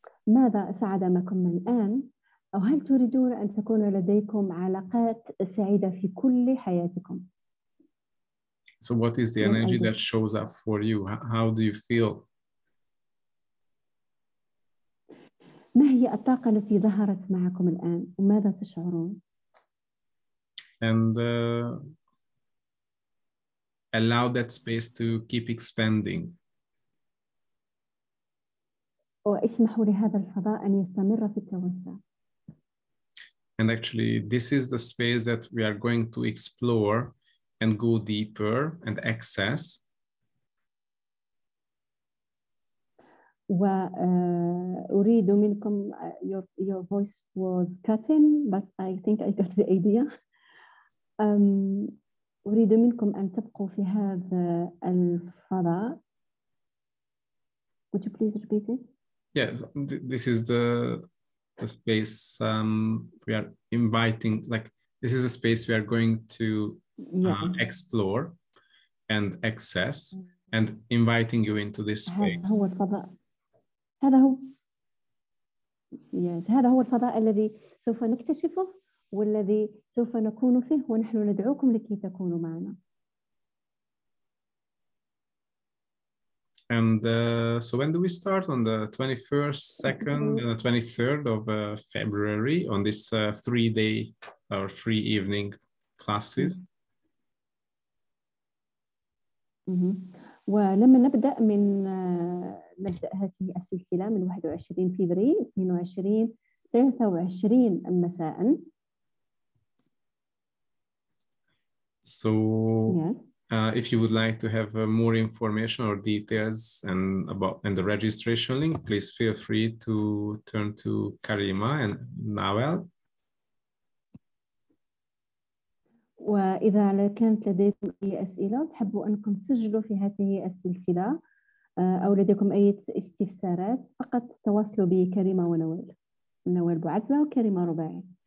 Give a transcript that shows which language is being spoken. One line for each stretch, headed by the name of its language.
Arabic: ماذا سعد مكم الآن؟ أو هل تريدون أن تكون لديكم علاقات سعيدة في كل حياتكم؟
English: So what is the energy that shows up for you? How do you feel?
Arabic: ما هي الطاقة التي ظهرت معكم الآن وماذا تشعرون؟
English: And allow that space to keep expanding.
Arabic: واسمحوا لهذا الفضاء أن يستمر في التوسع.
English: And actually, this is the space that we are going to explore and go deeper and access.
Arabic: وأريد منكم
English: your voice was cutting, but I think I got the idea.
Arabic: أريد منكم أن تبقوا في هذا الفضاء.
English: Would you please repeat it? Yes, this is the space we are inviting. Like this is a space we are going to explore and access, and inviting you into this space.
Arabic: هو الفضاء. هذا هو. Yes, هذا هو الفضاء الذي سوف نكتشفه. والذي سوف نكون فيه ونحن ندعوكم لكي تكونوا معنا.
English: And so when do we start? On the 21st, 2nd, and the 23rd of February on this three-day or free evening classes.
Arabic: ولما نبدأ من نبدأ هذه السلسلة من 21 فبراير 22 23 مساء.
English: So if you would like to have more information or details and about and the registration link, please feel free to turn to Karima and Nawel.
Arabic: وإذا كانت لديكم أي أسئلة تحبوا أنكم تسجلوا في هذه السلسلة أو لديكم أي استفسارات فقط تواصلوا بكريمة ونوال. نوال بوعزة وكريمة رباعي.